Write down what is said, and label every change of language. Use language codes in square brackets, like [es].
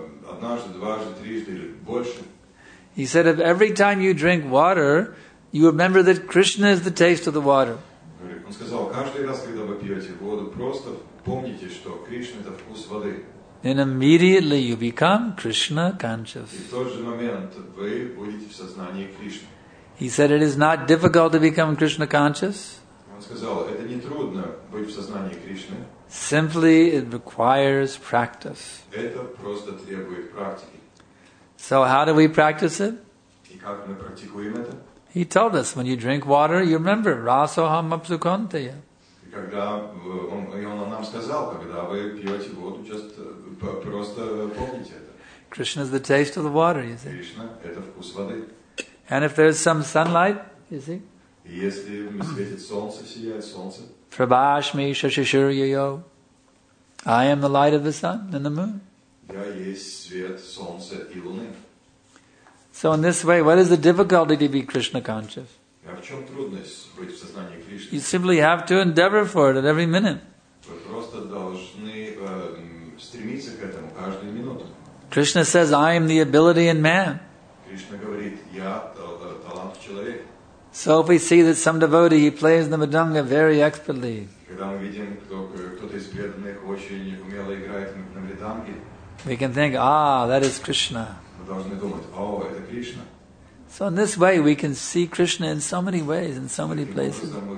[ru] Однажды, дважды, трижды или больше. [en] He said, if every time you drink water, you remember that Krishna is the taste of the water. [ru] Он сказал, каждый раз, когда вы пьете воду, просто помните, что Кришна – это вкус воды. [en] Then immediately you become Krishna conscious. [ru] И в тот же момент вы будете в сознании Кришны. [en] He said, it is not difficult to become Krishna conscious. [ru] Он сказал, это не трудно быть в сознании Кришны. [en] Simply it requires practice. [ru] Это просто требует практики. [en] So how do we practice it? [ru] И как мы практикуем это? [en] He told us, when you drink water, you remember, [sa] rasoham apsukantaya. [ru] Когда он нам сказал, когда вы пьете воду, просто помните это. [en] Krishna is the taste of the water, you see. [ru] Krishna – это вкус воды. [en] And if there is some sunlight, you see. [ru] Если светит солнце, сияет солнце. [sa] Prabhashmi shashashuryayo. [en] I am the light of the sun and the moon. [ru] Я есть свет солнца и луны. [en] So in this way, what is the difficulty to be Krishna conscious? [ru] А в чем трудность быть в сознании Кришны? [en] You simply have to endeavor for it at every minute. [ru] Вы просто должны стремиться к этому каждую минуту. [en] Krishna says, I am the ability in man. [ru] Кришна говорит, я талант в человеке. [en] So if we see that some devotee, he plays the madanga very expertly. [ru] Когда мы видим, кто-то из преданных очень умело играет на мриданге, [en] we can think, ah, that is Krishna. [ru] Мы должны думать, о, это Кришна. [en] So in this way, we can see Krishna in so many ways, in so many places.